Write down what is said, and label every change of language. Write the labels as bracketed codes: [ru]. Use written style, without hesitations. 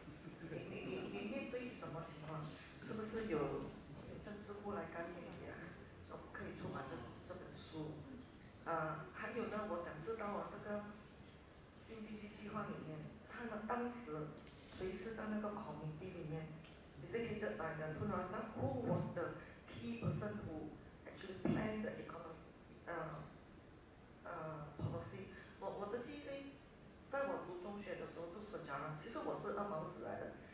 [zh] 你面对什么情况？是不是有政治部来干预你啊？说不可以出版这本书？还有呢，我想知道啊，这个新经济计划里面，他的当时。所以是在那个 committee 里面 [en] ，is it headed by the two of them? Who was the key person who actually planned the economic policy? [zh] 我的记忆力，在我读中学的时候都是加拿，其实我是二毛子来的。